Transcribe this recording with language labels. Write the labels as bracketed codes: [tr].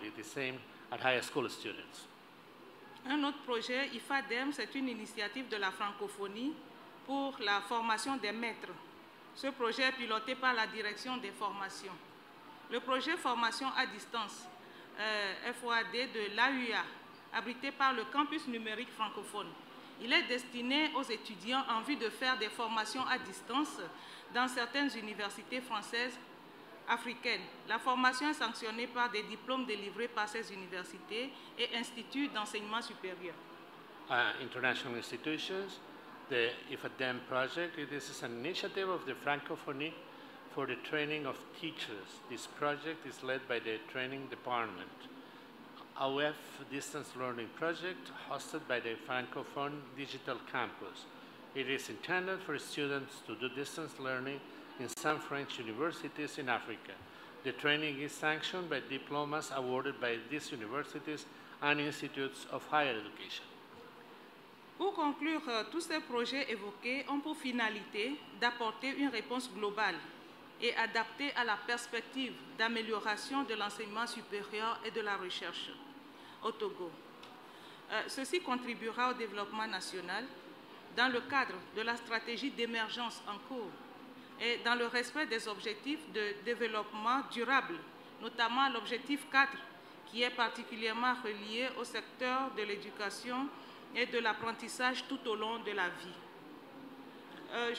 [en] It is aimed at higher school students. [fr] Un autre projet, IFADEM, c'est une initiative de la francophonie pour la formation des maîtres. Ce projet est piloté par la direction des formations. Le projet formation à distance, FOAD de l'AUA, abrité par le campus numérique francophone. Il est destiné aux étudiants en vue de faire des formations à distance dans certaines universités françaises africaines. La formation est sanctionnée par des diplômes délivrés par ces universités et instituts d'enseignement supérieur. [en] International institutions, the IFADEM project, this is an initiative of the Francophonie for the training of teachers. This project is led by the training department. AOF Distance Learning Project, hosted by the Francophone Digital Campus. It is intended for students to do distance learning in some French universities in Africa. The training is sanctioned by diplomas awarded by these universities and institutes of higher education. [fr] Pour conclure, tous ces projets évoqués ont pour finalité d'apporter une réponse globale et adaptée à la perspective d'amélioration de l'enseignement supérieur et de la recherche au Togo. Ceci contribuera au développement national dans le cadre de la stratégie d'émergence en cours et dans le respect des objectifs de développement durable, notamment l'objectif 4 qui est particulièrement relié au secteur de l'éducation et de l'apprentissage tout au long de la vie.